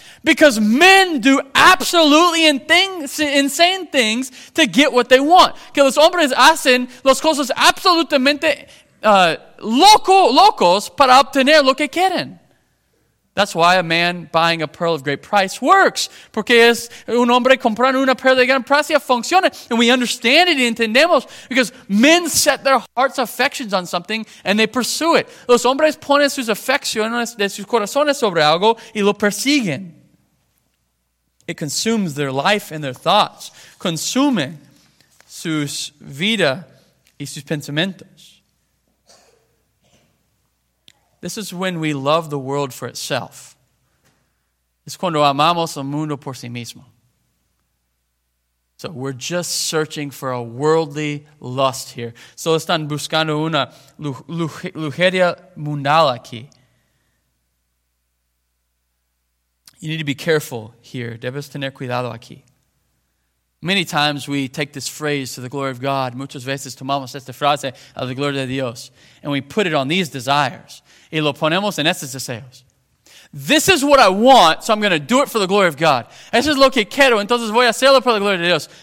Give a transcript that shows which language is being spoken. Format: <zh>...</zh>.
<en>Because men do absolutely insane things to get what they want.</en> <es>Que los hombres hacen las cosas absolutamente locos para obtener lo que quieren.</es> <en>That's why a man buying a pearl of great price works.</en> <es>Porque es un hombre comprando una perla de gran precio, funciona.</es> <en>And we understand it,</en> <es>entendemos.</es> <en>Because men set their heart's affections on something and they pursue it.</en> <es>Los hombres ponen sus afecciones de sus corazones sobre algo y lo persiguen.</es> <en>It consumes their life and their thoughts.</en> <es>Consume sus vida y sus pensamientos.</es> <en>This is when we love the world for itself.</en> <es>Es cuando amamos el mundo por sí mismo.</es> <en>So we're just searching for a worldly lust here.</en> <es>So están buscando una lujuria mundial aquí.</es> <en>You need to be careful here.</en> <es>Debes tener cuidado aquí.</es> <en>Many times we take this phrase to the glory of God.</en> <es>Muchas veces tomamos esta frase a la gloria de Dios.</es> <en>And we put it on these desires.</en> <es>Y lo ponemos en estos deseos.</es> <en>This is what I want, so I'm going to do it for the glory of God.</en> <es>Eso es lo que quiero, entonces voy a hacerlo por la gloria de Dios.</es>